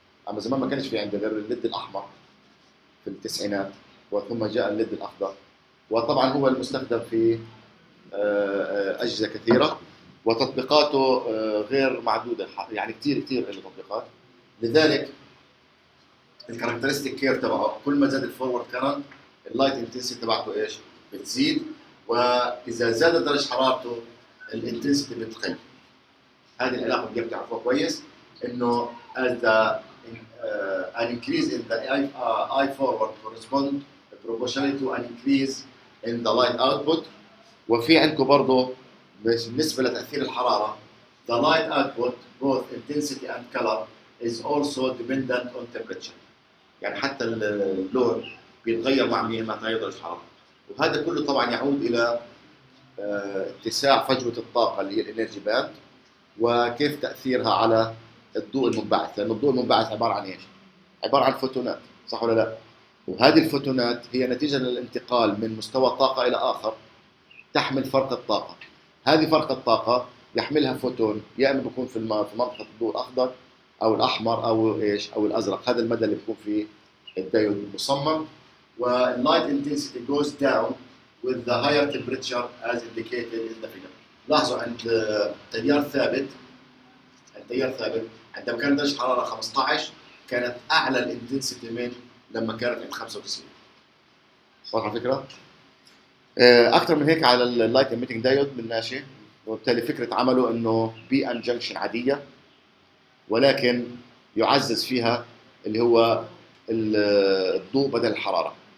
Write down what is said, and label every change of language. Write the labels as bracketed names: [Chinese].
[Arabic] اما زمان ما كانش في عندنا غير الليد الاحمر في التسعينات وثم جاء الليد الاخضر وطبعا هو المستخدم في اجهزه كثيره وتطبيقاته غير معدوده يعني كثير كثير له تطبيقات. لذلك الكاركترستيك كير تبعه كل ما زاد الفورورد كارنت اللايت انتنسيتي تبعته ايش بتزيد واذا زاد درجه حرارته الانتنسيتي بتقل. هذه العلاقه اللي بتعرفوها كويس انه [English] as the an increase in the I forward correspond proportionally to an increase in the light output. [Arabic] وفي عندكم برضه بالنسبه لتاثير الحراره [English] the light output both intensity and color is also dependent on temperature. [Arabic] يعني حتى اللون بيتغير مع مين؟ مع تغير درجه الحراره. وهذا كله طبعا يعود الى اتساع فجوة الطاقة اللي هي الانرجي باند وكيف تأثيرها على الضوء المنبعث، لأن الضوء المنبعث عبارة عن ايش؟ عبارة عن فوتونات، صح ولا لا؟ وهذه الفوتونات هي نتيجة للانتقال من مستوى طاقة إلى آخر تحمل فرق الطاقة. هذه فرق الطاقة يحملها فوتون يا إما بيكون في منطقة الضوء الأخضر أو الأحمر أو ايش؟ أو الأزرق، هذا المدى اللي بيكون فيه الدايود المصمم. [English] واللايت intensity goes down with the higher temperature as indicated in the figure. [Arabic] لاحظوا عند التيار ثابت عندما كانت درجة حرارة 15 كانت أعلى الانتنسيتي من لما كانت عند 95. واضحة الفكرة؟ أكثر من هيك على اللايت اميتنج دايود من ناشي وبالتالي فكرة عمله إنه بي ان جنكشن عادية ولكن يعزز فيها اللي هو الضوء بدل الحرارة.